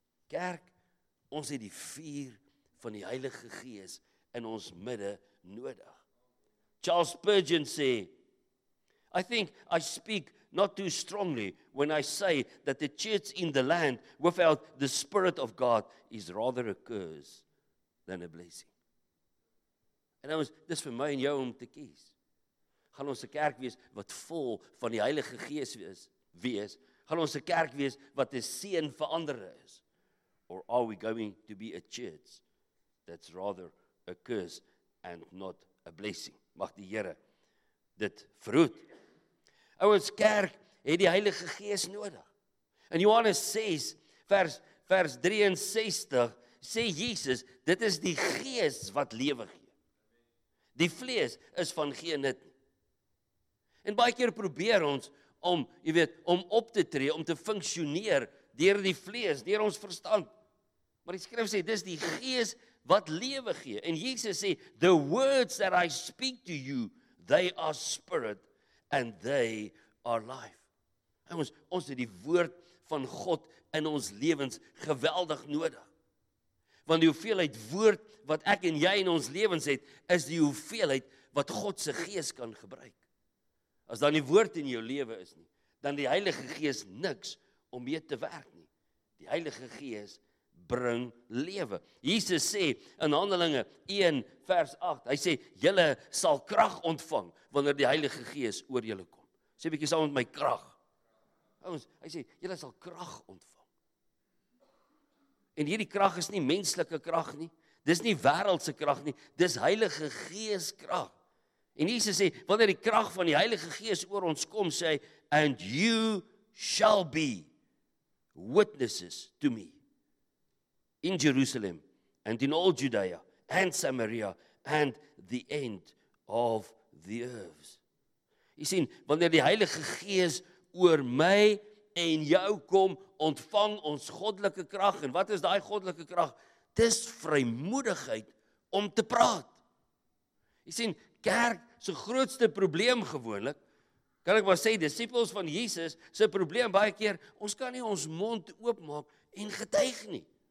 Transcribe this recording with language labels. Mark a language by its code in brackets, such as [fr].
[af] Kerk, ons het die vuur van die Heilige Gees in ons midde nodig. [en] Charles Spurgeon sê, "I think I speak not too strongly when I say that the church in the land without the Spirit of God is rather a curse than a blessing." [af] En ons, dis vir my en jou om te kies. Gaan ons 'n kerk wees wat vol van die Heilige Gees wees? Gaan ons 'n kerk wees wat 'n seën vir ander is? [en] Or are we going to be a church that's rather a curse and not a blessing? [af] Mag die Here dit verhoed. Ouens, kerk het die Heilige Gees nodig. In Johannes 6 vers 63 sê Jesus, dit is die Gees wat lewe gee. Die vlees is van geen nut. En baie keer probeer ons om, jy weet, om op te tree, om te funksioneer deur die vlees, deur ons verstand. Maar die skrif sê, dis die Gees wat lewe gee. En Jesus sê, [en] "The words that I speak to you, they are spirit and they are life." [af] En ons het die woord van God in ons lewens geweldig nodig. Want die hoeveelheid woord wat ek en jy in ons lewens het, is die hoeveelheid wat God se gees kan gebruik. As dan die woord in jou lewe is nie, dan die Heilige Gees niks om mee te werk nie. Die Heilige Gees bring lewe. Jesus sê in Handelinge 1 vers 8, hy sê, julle sal krag ontvang, wanneer die Heilige Gees oor julle kom. Sê bietjie saam met my krag. Hy sê, julle sal krag ontvang. En hierdie krag is nie menslike krag nie, dis nie wereldse krag nie, dis Heilige Gees krag. En Jesus sê, wanneer die krag van die Heilige Gees oor ons kom, sê hy, [en] and you shall be witnesses to me. In Jerusalem, and in all Judea, and Samaria, and the end of the earth. [af] Jy sien, wanneer die Heilige Gees oor my en jou kom, ontvang ons goddelike krag. En wat is die goddelike krag? Dis vrymoedigheid om te praat. Jy sien, kerk se grootste probleem gewoonlik, kan ek maar sê, disippels van Jesus, se probleem baie keer, ons kan nie ons mond oopmaak en getuig nie.